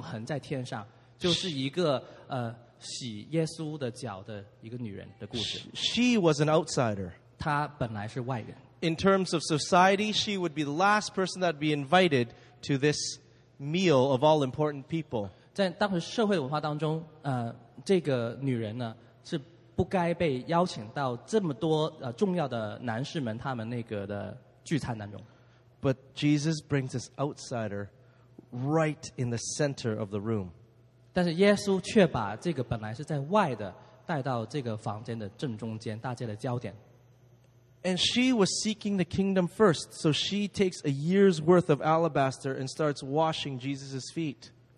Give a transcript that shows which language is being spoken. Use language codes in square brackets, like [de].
[zh] 有一个故事，就是不单是每个地方有传福音的人都要听见的故事，甚至这故事要回想到永恒在天上，就是一个 洗耶稣的脚的一个女人的故事。 [en] She was an outsider. [zh] 她本来是外人。 [en] in terms of society, she would be the last person that would be invited to this meal of all important people. [zh] 在当时社会文化当中, 这个女人呢, 是不该被邀请到这么多, 重要的男士们他们那个的聚餐当中。 [en] But Jesus brings this outsider right in the center of the room. [zh] 但是耶稣却把这个本来是在外的带到这个房间的正中间, 大家的焦点。 [en] And she was seeking the kingdom first, so she takes a year's worth of alabaster and starts washing Jesus' feet.